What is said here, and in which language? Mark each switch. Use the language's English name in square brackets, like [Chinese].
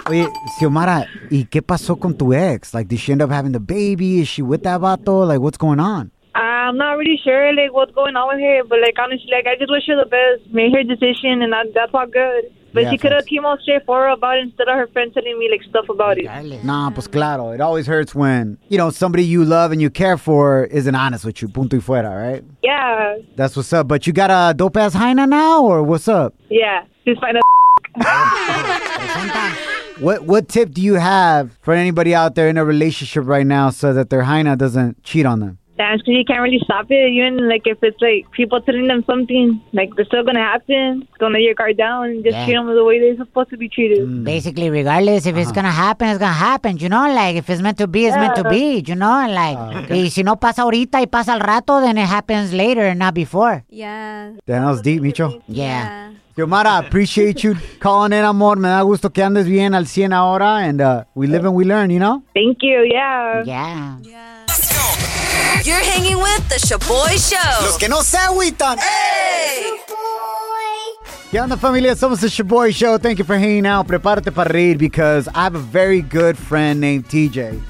[Spanish] Oye, Xiomara, ¿y qué pasó con tu ex? [English] Like, did she end up having the baby? Is she with that vato? Like, what's going on? I'm not really sure, like, what's going on with her. But, like, honestly, like, I just wish her the best. Made her decision, and that's all good. But yeah, she could have came out straightforward about it instead of her friend telling me, like, stuff about it. [Spanish] Nah, pues claro. [English] It always hurts when, you know, somebody you love and you care for isn't honest with you. [Spanish] Punto y fuera, right? [English] Yeah. That's what's up. But you got a dope-ass Jaina now, or what's up? Yeah. She's fine as What tip do you have for anybody out there in a relationship right now so that their Jaina doesn't cheat on them? That's because you can't really stop it. Even like if it's like people telling them something, like it's still going to happen. Don't let your guard down and just treat them the way they're supposed to be treated. Mm. Basically, regardless, if it's going to happen, it's going to happen. You know, like if it's meant to be, it's meant to be. You know, and like, [Spanish] y si no pasa ahorita y pasa al rato, [English] then it happens later and not before. Yeah. Damn, that was deep, Micho. Yeah. Xiomara, appreciate you calling in, amor. [Spanish] Me da gusto que andes bien al 100 ahora. [English] And we live and we learn, you know? Thank you. Yeah. Yeah. Yeah. You're hanging with the Shaboy Show. [Spanish] Los que no se agüitan. Hey! [English] Shaboy! [Spanish] ¿Qué onda, familia? Somos [English] the Shaboy Show. Thank you for hanging out. [Spanish] Prepárate para reír [English] because I have a very good friend named TJ.